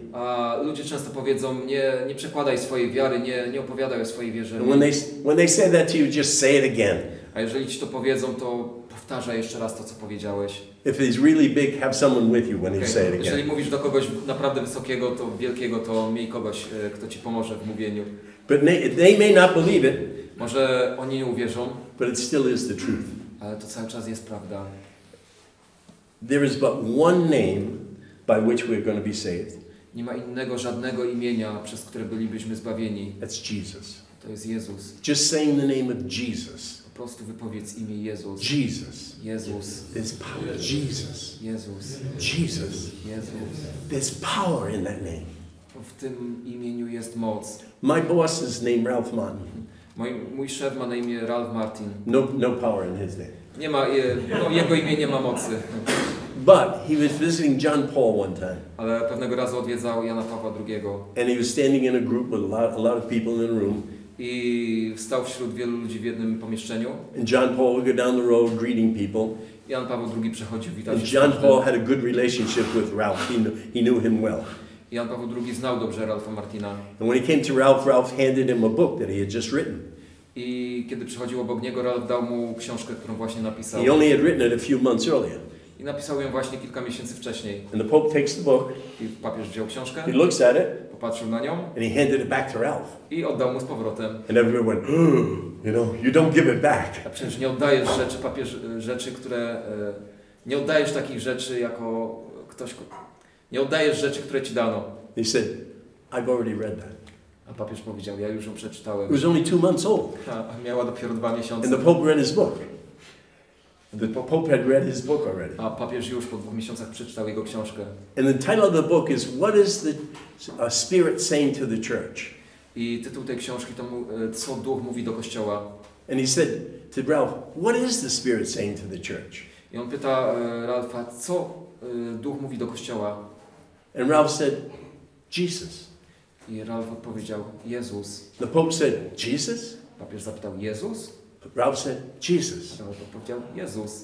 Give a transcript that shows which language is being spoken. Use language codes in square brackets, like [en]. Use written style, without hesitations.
[pl] A ludzie często powiedzą, nie przekładaj swojej wiary, nie opowiadaj o swojej wierze. [en] When they say that to you, just say it again. [pl] A jeżeli ci to powiedzą, to powtarzaj jeszcze raz to, co powiedziałeś. [en] If it's really big, have someone with you when you say it again. [pl] Jeżeli mówisz do kogoś naprawdę wysokiego, to wielkiego, to miej kogoś, kto ci pomoże w mówieniu. [en] But they may not believe it. [pl] Może oni nie uwierzą. [en] But it still is the truth. [pl] Ale to cały czas jest prawda. [en] There is but one name by which we are going to be saved. [pl] Nie ma innego żadnego imienia, przez które bylibyśmy zbawieni. [en] It's Jesus. [pl] To jest Jezus. [en] Just saying the name of Jesus. [pl] Po prostu wypowiedz imię Jezus. [en] Jesus. [pl] Jezus. [en] There's power. Jesus. [pl] Jezus. [en] Jesus. [pl] Jezus. [en] There's power in that name. [pl] W tym imieniu jest moc. [en] My boss is named Ralph Martin. [pl] Mój szef ma na imię Ralph Martin. [en] No power in his name. [pl] Nie ma, jego imię nie ma mocy. [en] But he was visiting John Paul one time. [pl] Ale pewnego razu odwiedzał Jana Pawła II. [en] And he was standing in a group with a lot of people in the room. [pl] I stał wśród wielu ludzi w jednym pomieszczeniu. [en] And John Paul would go down the road greeting people. [pl] Jan Paweł II przechodził, witał się. [en] John Paul had a good relationship with Ralph. He knew him well. [pl] Jan Paweł II znał dobrze Ralfa Martina. [en] And when he came to Ralph, Ralph handed him a book that he had just written. [pl] I kiedy przychodził obok niego, Ralph dał mu książkę, którą właśnie napisał. [en] He only had written it a few months earlier. [pl] I napisał ją właśnie kilka miesięcy wcześniej. [en] And the Pope takes the book. [pl] I papież wziął książkę. [en] He looks at it. [pl] Popatrzył na nią. [en] And he handed it back to Ralph. [pl] I oddał mu z powrotem. [en] And everyone went, you know, you don't give it back. [pl] A przecież nie oddajesz rzeczy, papież, rzeczy, które nie oddajesz takich rzeczy jako ktoś. Nie oddajesz rzeczy, które ci dano. [en] He said, I've already read that. [pl] A papież powiedział, ja już ją przeczytałem. [en] It was only 2 months old. [pl] A miała dopiero 2 miesiące. [en] And the Pope read his book. The Pope had read his book already. [pl] A papież już po 2 miesiącach przeczytał jego książkę. [en] And the title of the book is What is the Spirit saying to the Church? [pl] I tytuł tej książki to co Duch mówi do Kościoła. [en] And he said to Ralph, What is the Spirit saying to the Church? [pl] I on pyta Ralfa, co Duch mówi do Kościoła. [en] And Ralph said, Jesus. [pl] I Ralph odpowiedział, Jezus. [en] The Pope said, Jesus? [pl] Papież zapytał, Jezus? [en] Ralph said, Jesus. [pl] Ralph odpowiedział, Jezus.